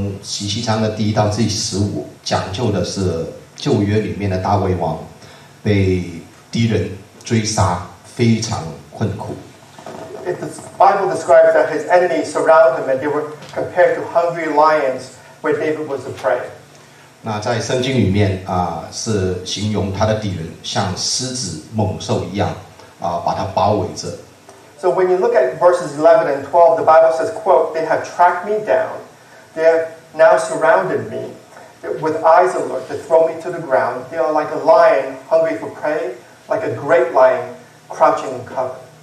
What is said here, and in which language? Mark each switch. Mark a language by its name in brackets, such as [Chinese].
[Chinese] 刚刚我在讲那个诗篇啊，从17章的第1到第15讲究的是。旧约里面的大卫王被敌人追杀，非常困苦。 [English] It the Bible describes that his enemies surrounded him, and they were compared to hungry lions where David was a prey. [Chinese] 那在圣经里面啊，是形容他的敌人像狮子猛兽一样啊，把他包围着。 [English] So when you look at verses 11 and 12, the Bible says, "Quote, they have tracked me down; they have now surrounded me." With eyes alert to throw me to the ground, they are like a lion hungry for prey, like a great lion crouching in cover.